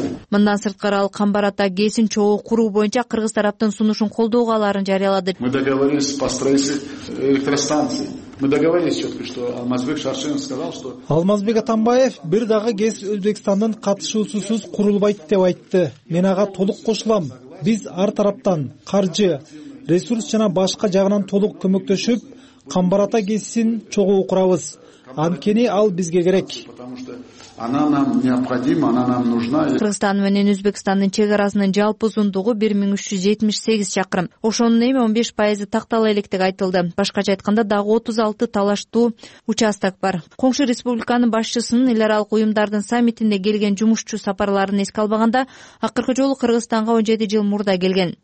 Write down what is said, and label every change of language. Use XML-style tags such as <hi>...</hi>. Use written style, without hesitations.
<ky>Мындан сырткары ал Камбар ата кесин чогуу куруу боюнча кыргыз тараптын сунушун колдоого аларын жарыялады.</ky> <ru>Мы договорились по строительству электростанции. Мы договорились четко, что Алмазбек Шаршинов сказал, что</ru> <ky>Алмазбек Атамбаев бир дагы кез Өзбекстандын катышуусусуз курулбайт деп айтты. Мен ага толук кошулам. Биз ар тараптан каржы, ресурс жана башка жагынан толук көмөктөшүп, Камбар ата кесин чогуу курабыз. Анткени ал бизге керек.</ky> <ru>Она нам необходима, она нам нужна.</ru> <ky>Кыргызстан менен Өзбекстандын чек арасынын жалпы узундугу 1378 чакырым. Ошонун эми 15% тактала электиги айтылды. Башкача айтканда дагы 36 талаштуу участок бар. Коңшу республиканын башчысынын эл аралык уюмдардын саммитинде келген жумушчу сапарларын эске албаганда, акыркы жолу Кыргызстанга 17 жыл мурда келген.</ky>